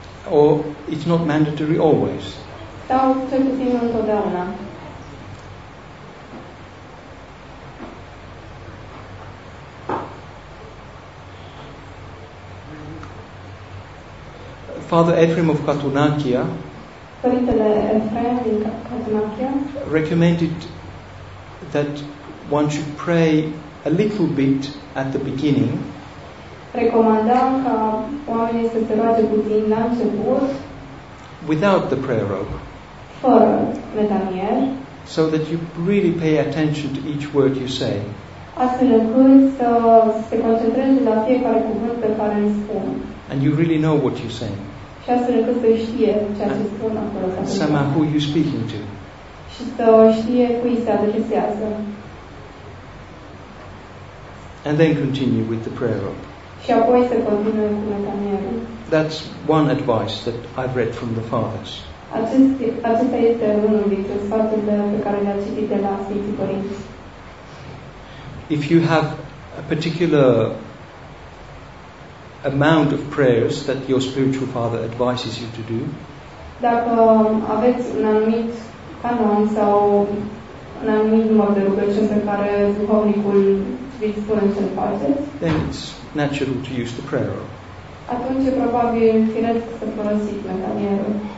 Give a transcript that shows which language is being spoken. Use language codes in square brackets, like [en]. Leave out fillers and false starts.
[en] Or it's not mandatory always. [ro] Sau cel puțin întotdeauna. [en] Father Ephrem of Katunakia, [ro] Părintele Ephrem din Katunakia [en] recommended that one should pray a little bit at the beginning. [ro] Recomanda ca oamenii să se roage puțin la început. [en] Without the prayer robe. [ro] Fără metanier. [en] So that you really pay attention to each word you say. [ro] Astfel încât să se concentreze la fiecare cuvânt pe care îl spun. [en] And you really know what you're saying. [ro] Și astfel încât să știe ce se spune acolo. [en] Somehow who you're speaking to. [ro] Și să știe cui se adresează. [en] And then continue with the prayer robe. [ro] Și apoi să continue cu metanierul. [en] That's one advice that I've read from the fathers. [ro] Acesta este unul dintre sfaturile pe care le-a citit de la Sfinții Părinți. [en] If you have a particular amount of prayers that your spiritual father advises you to do, [ro] dacă aveți un anumit canon sau un anumit număr de rugăciuni pe care duhovnicul vi spune să-l faceți, [en] then it's natural to use the prayer robe. [ro] Atunci e probabil firesc să folosiți metanierul.